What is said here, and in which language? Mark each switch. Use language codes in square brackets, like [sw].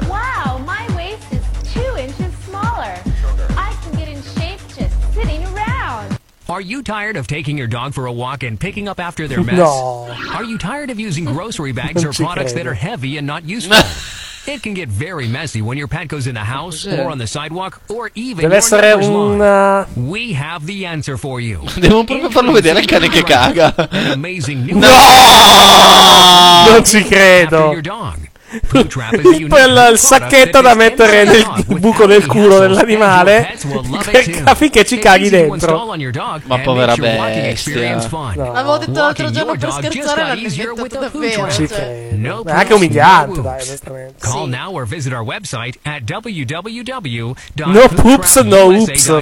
[en] Wow, my waist is 2 inches smaller. I can get in shape just sitting around. Are you tired of taking your dog for a walk and picking up after their mess? No. Are you tired of using grocery bags or products that are heavy and not useful? It can get very messy when your pet goes in the house or on the sidewalk or even [it] deve essere una... [en] We have the answer for you. [it] Devo proprio farlo vedere al cane che caga. [en] Amazing new. [it] No! Non ci credo. Quel sacchetto da mettere nel buco del culo dell'animale affinché ci caghi dentro. Ma povera bestia. L'avevo detto l'altro giorno per scherzare, l'avevo detto davvero. È anche umiliante, dai. [en] Call now or visit our website at www.nopoopsnoops.